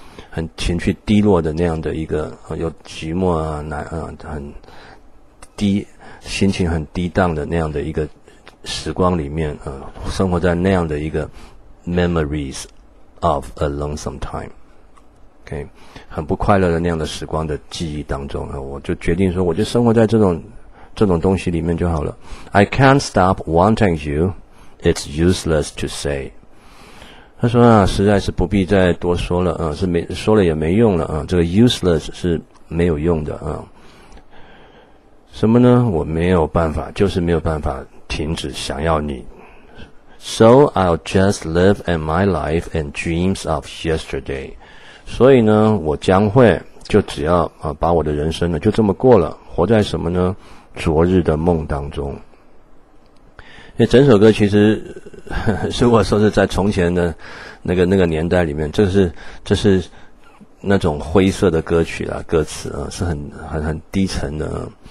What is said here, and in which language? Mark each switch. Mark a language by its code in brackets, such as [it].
[zh] 很情绪低落的那样的一个有寂寞啊难很低心情很低荡的那样的一个时光里面生活在那样的一个 [en] Memories of a lonesome time. [zh] Okay, 很不快乐的那样的时光的记忆当中，我就决定说，我就生活在这种这种东西里面就好了。 [en] I can't stop wanting you, it's useless to say. [zh] 他说啊，实在是不必再多说了，是没说了也没用了，这个 useless 是没有用的，什么呢？我没有办法，就是没有办法停止想要你。 [en] So I'll just live in my life and dreams of yesterday. [zh] 所以呢，我将会就只要把我的人生呢就这么过了，活在什么呢？昨日的梦当中。因为整首歌其实如果说是在从前的那个年代里面，这是那种灰色的歌曲啦，歌词啊是很低沉的。